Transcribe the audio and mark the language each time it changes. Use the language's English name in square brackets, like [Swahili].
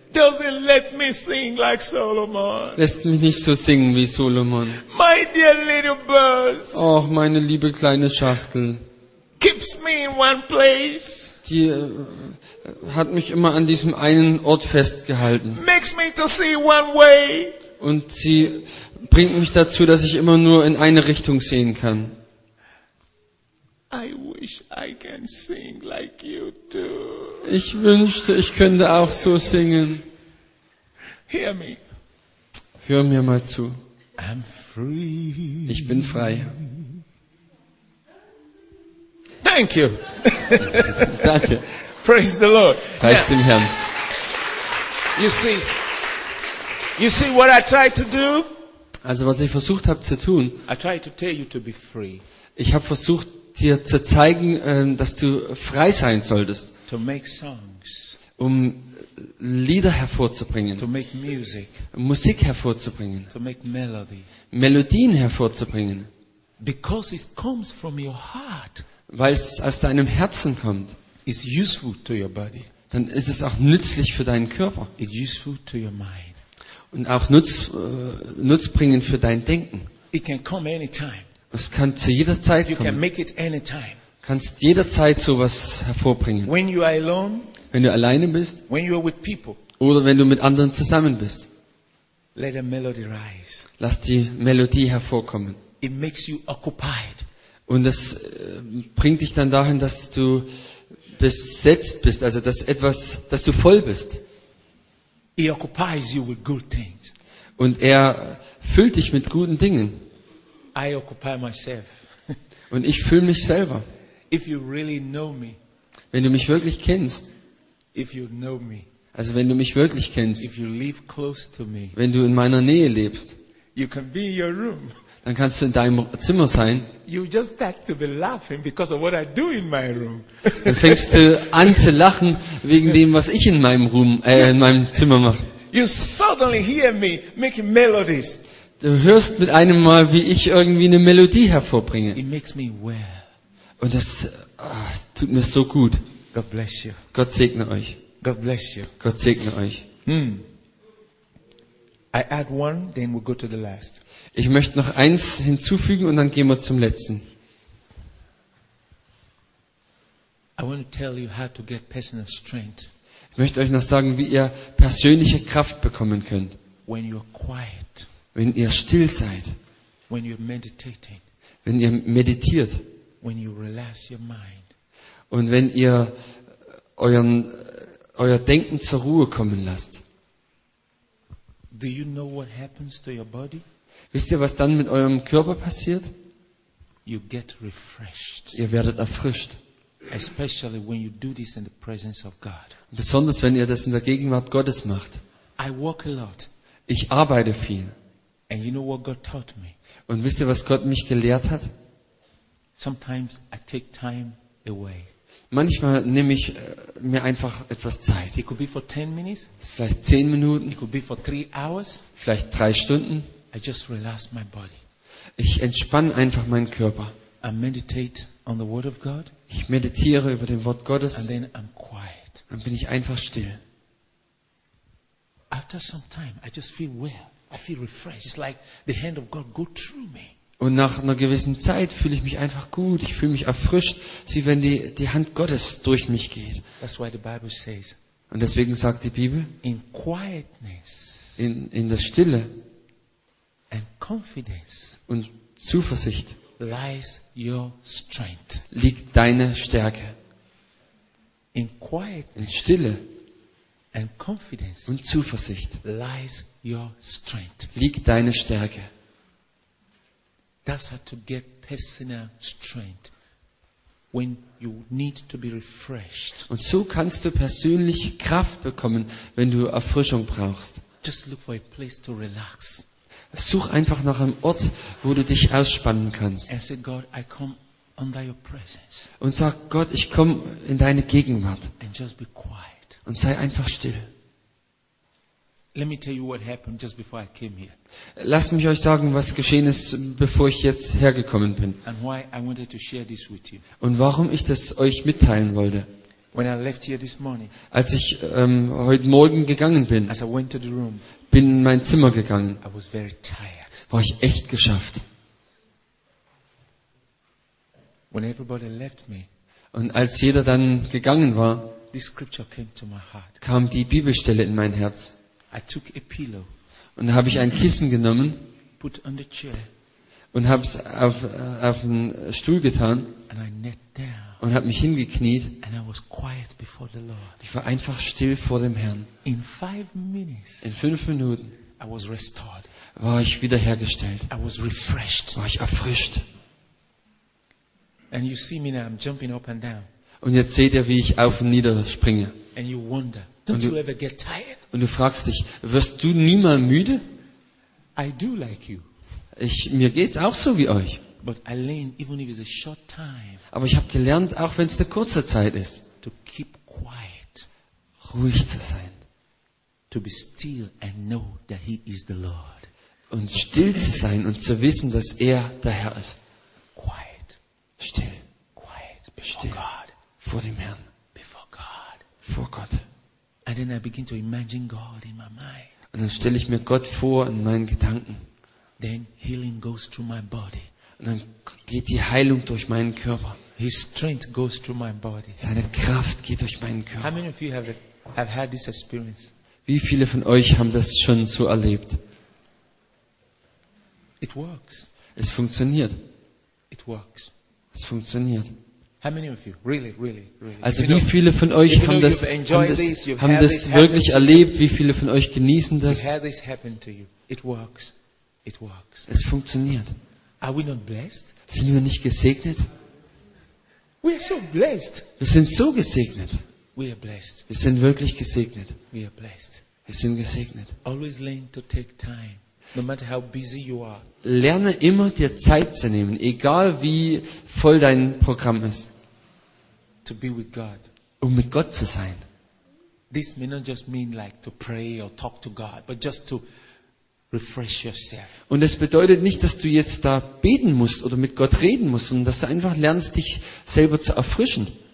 [English] Doesn't let me sing like Solomon. [German] Lässt mich nicht so singen wie Solomon. [English] My dear little bus. [German] Och, meine liebe kleine Schachtel. [English] Keeps me in one place. [German] Die hat mich immer an diesem einen Ort festgehalten. [English] Makes me to see one way. [German] Und sie bringt mich dazu, dass ich immer nur in eine Richtung sehen kann. [English] I wish I can sing like you do. [German] Ich wünschte, ich könnte auch so singen. [English] Hear me. [German] Hör mir mal zu. [English] I'm free. [German] Ich bin frei. [English] Thank you. [German] Danke. [English] Praise the Lord. [German] Preist dem Herrn. [English] You see what I try to do? [German] Also was ich versucht habe zu tun, [English] I tried to tell you to be free. [German] Ich habe versucht, dir zu zeigen, dass du frei sein solltest, [English] to make songs, [German] um Lieder hervorzubringen, [English] to make music, [German] Musik hervorzubringen, [English] to make melody. [German] Melodien hervorzubringen, [English] because it comes from your heart. [German] Weil es aus deinem Herzen kommt. [English] It's useful to your body. [German] Dann ist es auch nützlich für deinen Körper. [English] It's useful to your mind. [German] Und auch nutzbringend für dein Denken. [English] It can come anytime. [German] Es kann zu jeder Zeit [English] you [German] kommen. [English] Can make it anytime. [German] Kannst jederzeit sowas hervorbringen. [English] When you are alone, [German] wenn du alleine bist, [English] when you are with people, [German] oder wenn du mit anderen zusammen bist, [English] let a melody rise. [German] Lass die Melodie hervorkommen. [English] It makes you occupied. [German] Und das bringt dich dann dahin, dass du besetzt bist, also dass etwas, dass du voll bist. [English] He occupies you with good things. [German] Und er füllt dich mit guten Dingen. [English] I occupy myself. [German] Und ich fülle mich selber. [English] If you really know me. [German] Wenn du mich wirklich kennst. [English] If you know me. [German] Also wenn du mich wirklich kennst. [English] If you live close to me. [German] Wenn du in meiner Nähe lebst. [English] You can be in your room. [German] Dann kannst du in deinem Zimmer sein. [English] You just start to be laughing because of what I do in my room. [German] Dann fängst du an zu lachen wegen dem, was ich in meinem Room, in meinem Zimmer mache. [English] You suddenly hear me making melodies. [German] Du hörst mit einem Mal, wie ich irgendwie eine Melodie hervorbringe. [English] It makes me well. [German] Und das tut mir so gut. [English] God bless you. [German] Gott segne euch. [English] God bless you. [German] Gott segne euch. [English] I add one, then we'll go to the last. [German] Ich möchte noch eins hinzufügen und dann gehen wir zum letzten. [English] I want to tell you how to get personal strength. [German] Ich möchte euch noch sagen, wie ihr persönliche Kraft bekommen könnt. [English] When you're quiet. [German] Wenn ihr still seid. [English] When you're meditating. [German] Wenn ihr meditiert. [English] When you relax your mind. [German] Und wenn ihr euer Denken zur Ruhe kommen lasst. [English] Do you know what happens to your body? [German] Wisst ihr, was dann mit eurem Körper passiert? [English] You get refreshed. [German] Ihr werdet erfrischt. [English] Especially when you do this in the presence of God. [German] Besonders wenn ihr das in der Gegenwart Gottes macht. [English] I work a lot. [German] Ich arbeite viel. [English] And you know what God taught me? [German] Und wisst ihr, was Gott mich gelehrt hat? [English] Sometimes I take time away. [German] Manchmal nehme ich mir einfach etwas Zeit. [English] It could be for 10 minutes. [German] Vielleicht 10 Minuten. [English] It could be for 3 hours. [German] Vielleicht 3 Stunden. [English] I just relax my body. [German] Ich entspanne einfach meinen Körper. [English] I meditate on the word of God. [German] Ich meditiere über dem Wort Gottes. [English] And then I'm quiet. [German] Dann bin ich einfach still. [English] After some time, I just feel well. I feel refreshed. It's like the hand of God go through me. [German] Und nach einer gewissen Zeit fühle ich mich einfach gut. Ich fühle mich erfrischt, wie wenn die Hand Gottes durch mich geht. [English] That's why the Bible says. [German] Und deswegen sagt die Bibel. [English] In quietness. [German] In der Stille. [English] And confidence [German] und Zuversicht [English] lies your strength. [German] Liegt deine Stärke. [English] In quietness [German] in Stille [English] and confidence [German] und Zuversicht [English] lies your strength. [German] Liegt deine Stärke. [English] That's how to get personal strength when you need to be refreshed. [German] Und so kannst du persönlich Kraft bekommen, wenn du Erfrischung brauchst. [English] Just look for a place to relax. [German] Such einfach nach einem Ort, wo du dich ausspannen kannst. [English] And say, God, I come under your presence. [German] Und sag, Gott, ich komme in deine Gegenwart. [English] And just be quiet. [German] Und sei einfach still. [English] Let me tell you what happened just before I came here. [German] Lasst mich euch sagen, was geschehen ist, bevor ich jetzt hergekommen bin. [English] And why I wanted to share this with you. [German] Und warum ich das euch mitteilen wollte. [English] When I left here this morning, [German] als ich heute Morgen gegangen bin, [English] as I went to the room, [German] bin in mein Zimmer gegangen, [English] I was very tired. [German] War ich echt geschafft. [English] When everybody left me, [German] und als jeder dann gegangen war, [English] this scripture came to my heart. [German] Kam die Bibelstelle in mein Herz. [English] I took a pillow, [German] und da habe ich ein Kissen genommen [English] put on the chair, [German] und habe es auf den Stuhl getan [English] and I knelt down. [German] Und habe mich hingekniet. [English] And I was quiet before the Lord. [German] Ich war einfach still vor dem Herrn. [English] In 5 minutes, [German] in 5 Minuten [English] I was restored. [German] War ich wiederhergestellt. [English] I was refreshed. [German] War ich erfrischt. [English] And you see me now, I'm jumping up and down. [German] Und jetzt seht ihr, wie ich auf und nieder springe. [English] And you wonder, don't you ever get tired? [German] Und du fragst dich, wirst du niemals müde? [English] I do like you. [German] mir geht's auch so wie euch. [English] But I learned, even if it's a short time, [German] aber ich habe gelernt, auch wenn es eine kurze Zeit ist, [English] to keep quiet, [German] ruhig zu sein, [English] to be still and know that he is the Lord. [German] Und still zu sein und zu wissen, dass er der Herr ist. [English] Quiet, [German] still, [English] quiet, [German] still, [English] God, [German] vor dem Herrn, [English] before God, [German] vor Gott. [English] And then I begin to imagine God in my mind. [German] Und dann stelle ich mir Gott vor in meinen Gedanken. [English] Then healing goes through my body. [German] Und dann geht die Heilung durch meinen Körper. [English] His strength goes through my body. [German] Seine Kraft geht durch meinen Körper. [English] How many of you have had this experience? [German] Wie viele von euch haben das schon so erlebt? [English] It works. [German] Es funktioniert. [English] It works. [German] Es funktioniert. [English] How many of you? Really, really, really. [German] Also wie viele von euch haben das wirklich erlebt? Wie viele von euch genießen das? [English] You've had this happen to you. It works. It works. [German] Es funktioniert. [English] Are we not blessed? [German] Sind wir nicht gesegnet? [English] We are so blessed. [German] Wir sind so gesegnet. [English] We are blessed. [German] Wir sind wirklich gesegnet. [English] We are blessed. [German] Wir sind gesegnet. [English] Always learn to take time, no matter how busy you are. [German] Lerne immer, dir Zeit zu nehmen, egal wie voll dein Programm ist. [English] To be with God. [German] Um mit Gott zu sein. [English] This may not just mean like to pray or talk to God, but just to refresh yourself. [German] Und es bedeutet nicht, dass du jetzt da beten musst oder mit Gott reden musst, sondern dass du einfach lernst, dich selber zu erfrischen.